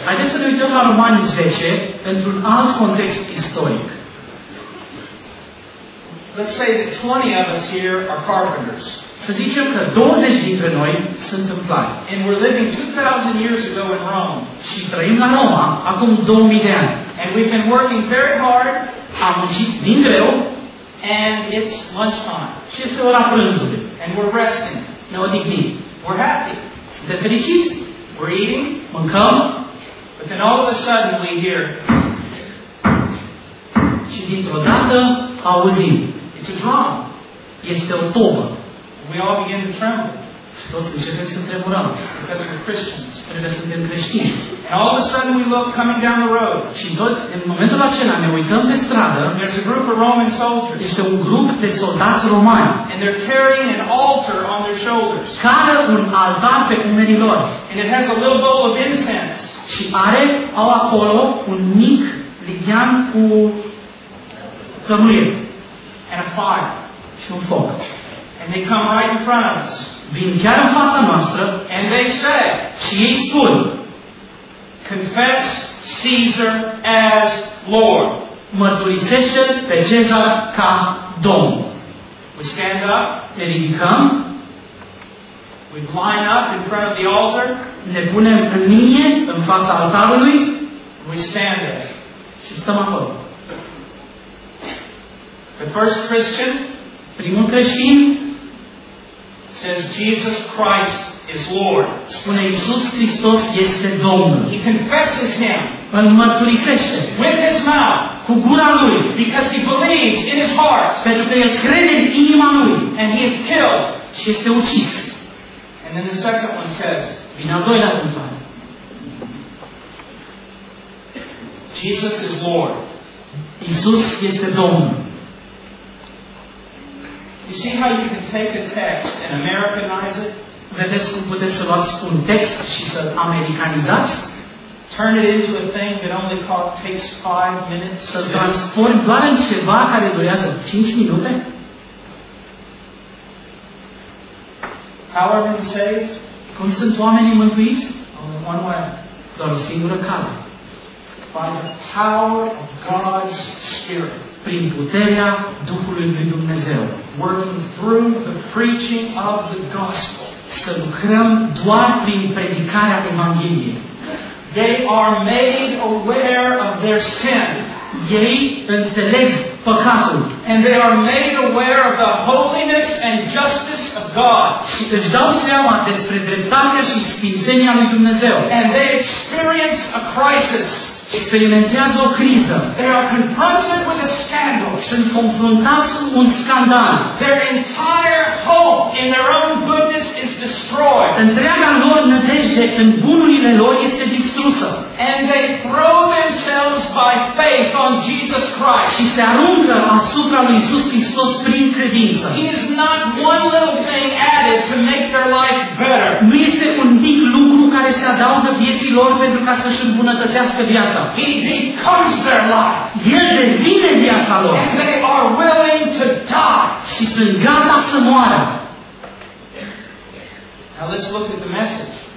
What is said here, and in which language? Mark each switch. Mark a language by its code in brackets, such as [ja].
[ro] Haideți să ne uităm la Romani 10 într-un alt context istoric. [en] Let's say that 20 of us here are carpenters. [ro] Să zicem că 20 dintre noi suntem plai. [en] And we're living 2,000 years ago in Rome. [ro] Și trăim la Roma acum 2,000 de ani. [en] And we've been working very hard. [ro] Am muncit din greu. [en] And it's lunchtime. [ro] Și este ora prânzului. [en] And we're resting. [ro] Ne odihnim. [en] We're happy. [ro] Suntem fericiți. [en] We're eating. [ro] Mâncăm. [en] But then all of a sudden we hear. [ro] Și dintr-o dată auzim. [en] It's a drum. [ro] Este o tobă. [en] We all begin to tremble. [ro] Toți începem să tremurăm. [en] Because we're Christians. [ro] Pentru că suntem creștini. [en] And all of a sudden we look coming down the road. [ro] Și tot în momentul acela ne uităm pe stradă. [en] There's a group of Roman soldiers. [ro] Este un grup de soldați romani. [en] And they're carrying an altar on their shoulders. [ro] Care un altar pe umerii lor. [en] And it has a little bowl of incense. [ro] Și are acolo un mic lighean cu cămâie. [en] And a fire. [ro] Și un foc. [en] And they come right in front of us. [ro] Vin chiar în fața noastră. [en] And they say. [ro] Și ei spun. [en] Confess Caesar as Lord. [ro] Mărturisește pe Cezar ca Domn. [en] We stand up. [ro] Ne ridicăm. [en] We line up in front of the altar. [ro] Ne punem în linie în fața altarului. [en] We stand there. [ro] Și stăm acolo. [en] The first Christian. [ro] Primul creștin. [en] Says Jesus Christ is Lord. [ro] Spune Iisus Hristos este Domnul. [en] He confesses Him. [ro] Îl mărturisește. [en] With his mouth. [ro] Cu gura lui. [en] Because he believes in his heart. [ro] Pentru că el crede în inima lui. [en] And he is killed. [ro] Și este ucis. [en] And then the second one says. [ro] Vine al doilea cumpăr. [en] Jesus is Lord. [ro] Iisus este Domnul. [en] You see how you can take a text and Americanize it? [ro] Vedeți cum puteți să luați un text și să-l americanizați? [en] Turn it into a thing that only takes 5 minutes. [ro] Să transform doar în ceva care durează 5 minute? [en] How are we saved? [ro] Cum sunt oamenii mântuiți? [en] Only one way. [ro] Doar o singură cale. [en] By the power of God's Spirit. [ro] Prin puterea Duhului lui Dumnezeu. [en] Working through the preaching of the gospel. [ro] Să lucrăm doar prin predicarea Evangheliei. [en] They are made aware of their sin. [ro] Ei înțeleg păcatul. [en] And they are made aware of the holiness and justice of God. [ro] Și își dau seama despre dreptatea și sfințenia lui Dumnezeu. [en] And they experience a crisis. [ro] Experimentează o criză. [en] They are confronted with a scandal. [ro] Sunt confruntați cu un scandal. [en] Their entire hope in their own goodness is destroyed. [ro] Întreaga lor nădejde în bunurile lor este distrusă. [en] And they throw themselves by faith on Jesus Christ. [ro] Și se aruncă asupra lui Iisus Hristos prin credință. [en] He is not one little thing added to make their life better. [ro] Nu este un mic lucru care se adaugă vieții lor pentru ca să-și îmbunătățească viața. [en] He becomes their life. [ro] El devine viața lor. [en] And they are willing to die. [ro] Și sunt gata să moară. [en] Now let's look at the message.